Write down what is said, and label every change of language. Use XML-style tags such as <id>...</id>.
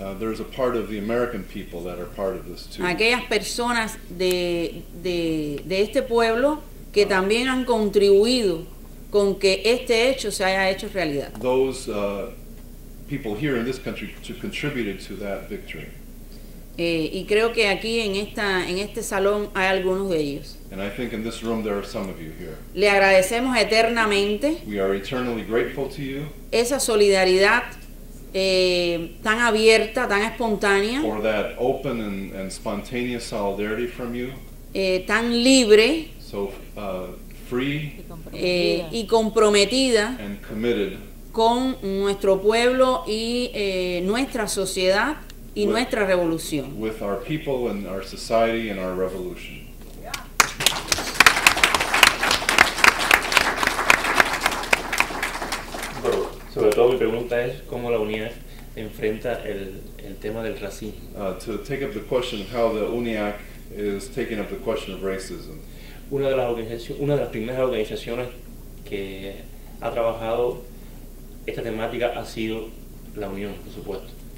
<en>There's a part of the American people that are part of this too.</en> <es>Aquellas personas de este pueblo que también han contribuido con que este hecho se haya hecho realidad.</es> <en>Those people here in this country who contributed to that victory.</en> <es>Y creo que aquí en este salón hay algunos de ellos.</es> <en>And I think in this room there are some of you here.</en> <es>Le agradecemos eternamente.</es> <en>We are eternally grateful to you.</en> <es>Esa solidaridad tan abierta, tan espontánea.</es> <en>For that open and spontaneous solidarity from you.</en> <es>Tan libre.</es> <en>So free.</en> <es>Y comprometida.</es> <en>And committed.</en> <es>Con nuestro pueblo y nuestra sociedad. Y</es> <en>with,</en> <es>nuestra revolución.</es> <en>With our people and our society and our revolution. Yeah.</en> <es>Sobre todo mi pregunta es cómo la UNIAC enfrenta el tema del racismo.</es> <en>To take up the question of how the UNIAC is taking up the question of racism.</en> <es>Una de las primeras organizaciones que ha trabajado esta temática ha sido la UNIAC, por supuesto.</es>